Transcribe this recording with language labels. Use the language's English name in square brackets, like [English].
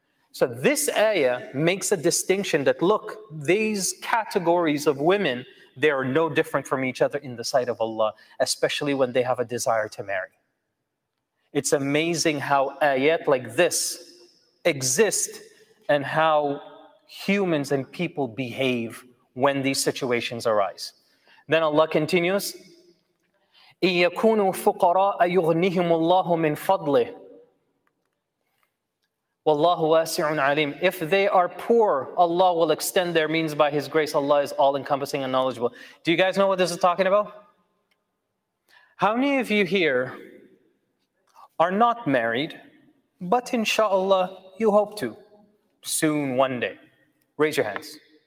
[English] So this ayah makes a distinction that, look, these categories of women, they are no different from each other in the sight of Allah, especially when they have a desire to marry. It's amazing how ayat like this exist and how humans and people behave when these situations arise. Then Allah continues, [Arabic] إِن يَكُونُوا فُقَرَاءَ يُغْنِهِمُ اللَّهُ مِنْ فَضْلِهِ وَاللَّهُ وَاسِعٌ عَلِيمٌ. [English] If they are poor, Allah will extend their means by His grace. Allah is all-encompassing and knowledgeable. Do you guys know what this is talking about? How many of you here are not married, but inshallah, you hope to soon, one day? Raise your hands.